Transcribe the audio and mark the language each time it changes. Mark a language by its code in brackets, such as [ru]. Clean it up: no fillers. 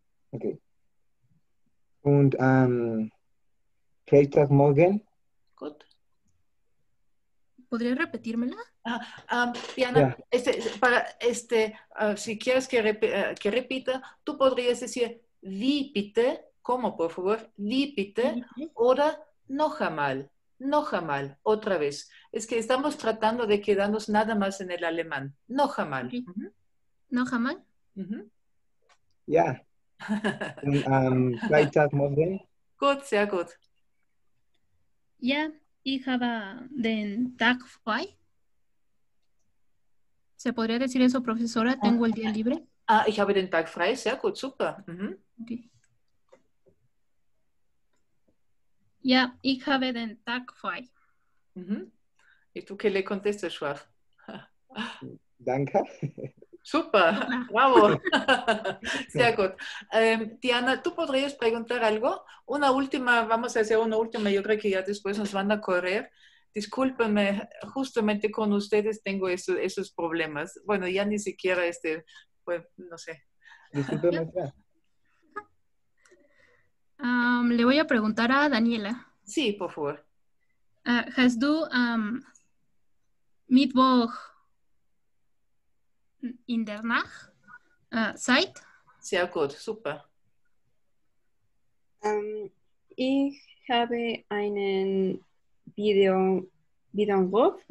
[de] Okay. Und Freitag morgen? Gut. [es] ¿Podría repetírmela? [en] Diana, yeah. [es] Si quieres que repita, tú podrías decir, [de] wie bitte? [es] ¿Cómo, por favor? [de] Wie bitte? Oder noch einmal, [es] otra vez. Es que estamos tratando de quedarnos nada más en el alemán. [de] Noch einmal. Okay. Mm-hmm. Noch einmal? Mm-hmm. Ja. Freitag morgen? Gut, sehr gut. Ja, ich habe den Tag frei. [es] ¿Se podría decir eso, profesora? Tengo el día libre. [de] Ich habe den Tag frei, sehr gut, super. Mm-hmm. Okay. Ja, ich habe den Tag frei. [es] Mhm. [de] Ich tue, [es] que le conteste, Schwab. [de] Danke. Super, bravo. Sehr gut. [es] Diana, ¿tú podrías preguntar algo? Una última, vamos a hacer una última, yo creo que ya después nos van a correr. Discúlpenme, justamente con ustedes tengo esos problemas. Bueno, ya ni siquiera pues, no sé. Discúlpenme, ya. Le voy a preguntar a Daniela. Sí, por favor. [de] Hast du Mittwoch in der Nacht Zeit? Sehr gut, super. Ich habe einen Videoanruf.